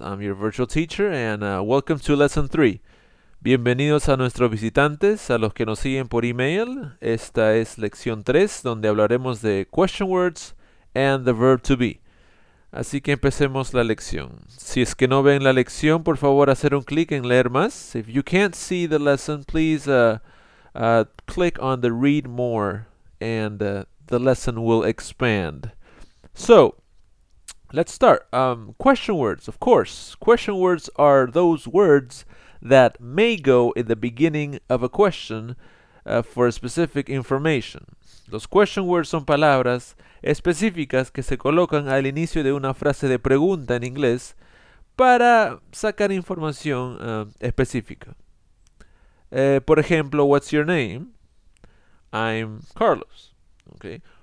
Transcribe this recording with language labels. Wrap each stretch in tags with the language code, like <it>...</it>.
<en>I'm your virtual teacher, and welcome to lesson 3.</en> <es>Bienvenidos a nuestros visitantes, a los que nos siguen por email. Esta es lección 3, donde hablaremos de</es> <en>question words and the verb to be.</en> <es>Así que empecemos la lección. Si es que no ven la lección, por favor, hacer un clic en leer más.</es> <en>If you can't see the lesson, please click on the read more, and the lesson will expand. So, let's start. Question words, of course. Question words are those words that may go in the beginning of a question for a specific information.</en> <es>Los question words son palabras específicas que se colocan al inicio de una frase de pregunta en inglés para sacar información específica. Por ejemplo,</es> <en>what's your name? I'm Carlos. Okay.</en>